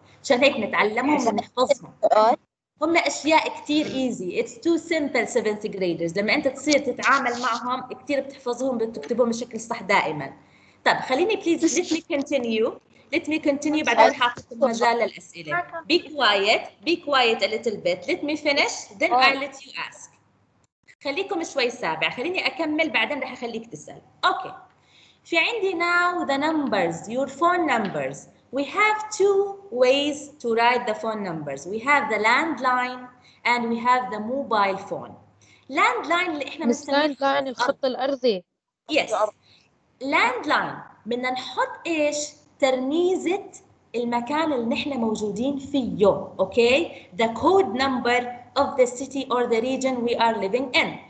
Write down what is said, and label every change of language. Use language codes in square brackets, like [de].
[ar] عشان هيك نتعلمهم ونحفظهم. هم أشياء كتير easy. [en] It's too simple seventh graders. [ar] لما أنت تصير تتعامل معهم كتير بتحفظهم بتكتبهم بشكل صح دائما. طب خليني [en] please let me continue [ar] بعد رح أعطيك المجال للأسئلة. [en] Be quiet a little bit. Let me finish then I'll let you ask. [ar] خليكم شوي سابع، خليني أكمل بعدين رح أخليك تسأل. أوكي، في عندي [en] now the numbers, your phone numbers. We have two ways to write the phone numbers. We have the landline and we have the mobile phone. [ar] Landline اللي إحنا مثل landline الخط الأرضي. [en] Yes. [ar] Landline بدنا نحط إيش ترميزة المكان اللي نحن موجودين فيه. [en] Okay, the code number of the city or the region we are living in.